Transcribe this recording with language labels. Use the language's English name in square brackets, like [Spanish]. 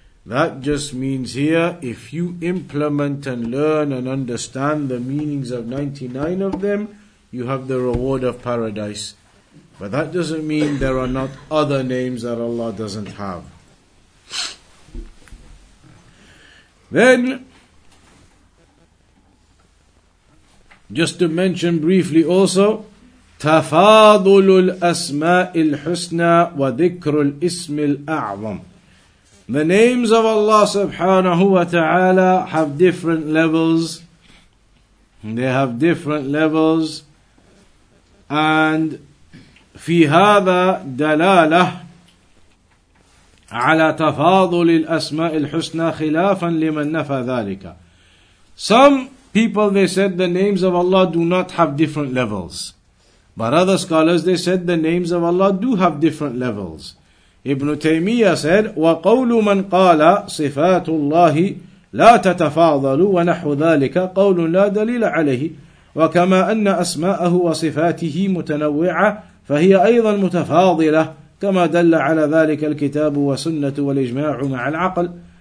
[English] That just means here, if you implement and learn and understand the meanings of 99 of them, you have the reward of paradise. But that doesn't mean there are not other names that Allah doesn't have. Then, just to mention briefly also, [Arabic] تفاضل الأسماء الحسنى وذكر الاسم الأعظم. [English] The names of Allah subhanahu wa ta'ala have different levels. They have different levels. [Arabic] And في هذا دلالة على تفاضل الأسماء الحسنى خلافا لمن نفى ذلك. [English] Some people, they said the names of Allah do not have different levels. But other scholars, they said the names of Allah do have different levels. [Arabic] Ibn Taymiyyah said, وَقَوْلُ مَنْ قَالَ صِفَاتُ اللَّهِ لَا تَتَفَاضَلُ وَنَحْوُ ذَلِكَ قَوْلٌ لَا دَلِيلَ عَلَيْهِ وَكَمَا أَنَّ أَسْمَاءَهُ وَصِفَاتِهِ مُتَنَوِّعَةٌ فَهِيَ أَيْضًا مُتَفَاضِلَةٌ كَمَا دَلَّ عَلَى ذَلِكَ الْكِتَابُ وَسُنَّةُ وَالْإِجْمَاعُ مَعَ الْعَقْلِ.